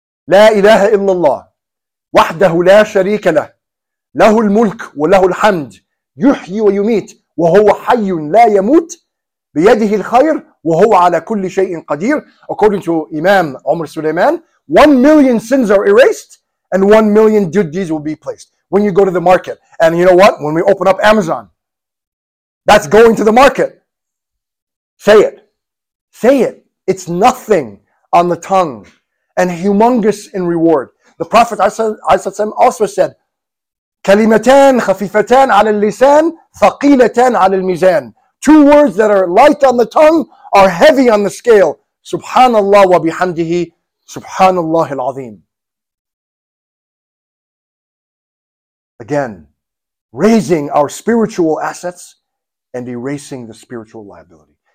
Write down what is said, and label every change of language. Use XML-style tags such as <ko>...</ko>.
<ar>لا إله إلا الله وحده لا شريك له له الملك وله الحمد يحيي ويميت وهو حي لا يموت بيده الخير وهو على كل شيء قدير</ar> <en>According to Imam Umar Sulaiman, 1 million sins are erased and 1 million good deeds will be placed when you go to the market. And you know what? When we open up Amazon, that's going to the market. Say it. Say it. It's nothing on the tongue and humongous in reward. The Prophet also said,</en> <ar>كلمتان خفيفتان على اللسان ثقيلتان على الميزان.</ar> <en>Two words that are light on the tongue are heavy on the scale.</en> <ar>Subhanallah wa bihamdihi, Subhanallah al-Azim.</ar> <en>Again, raising our spiritual assets and erasing the spiritual liability.</en>